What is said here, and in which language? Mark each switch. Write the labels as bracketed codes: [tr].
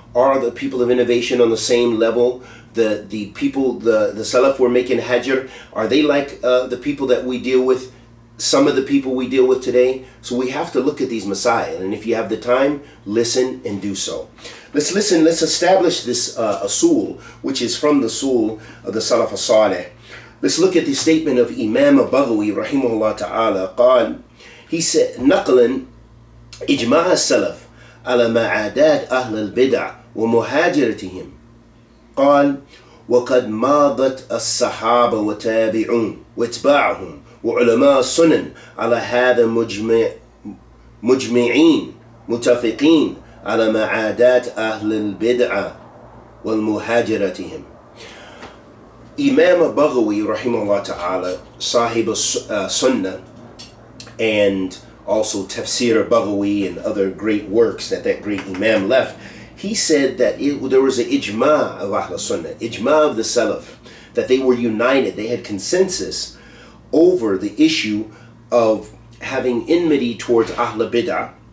[en] Are the people of innovation on the same level? The people, the Salaf were making Hajar, are they like the people that we deal with, some of the people we deal with today? So we have to look at these Messiah, and if you have the time, listen and do so. Let's establish this Asul, which is from the Asul of the Salaf al-Saleh. Let's look at the statement of Imam al-Baghawi, rahimahullah ta'ala, qal. [ar] He said, نقلن إجماع السلف على معادات أهل البدع ومهاجرتهم قال وقد ماضت الصحابة وتابعون واتباعهم وعلماء السنن على هذا مجمعين متفقين على معادات أهل البدع والمهاجرتهم. إمام بغوي رحمه الله تعالى صاحب السنة [en] and also Tafsir al-Baghawi and other great works that great imam left, he said that there was an ijma of Ahl Sunnah, ijma of the Salaf, that they were united, they had consensus over the issue of having enmity towards Ahl Bid'ah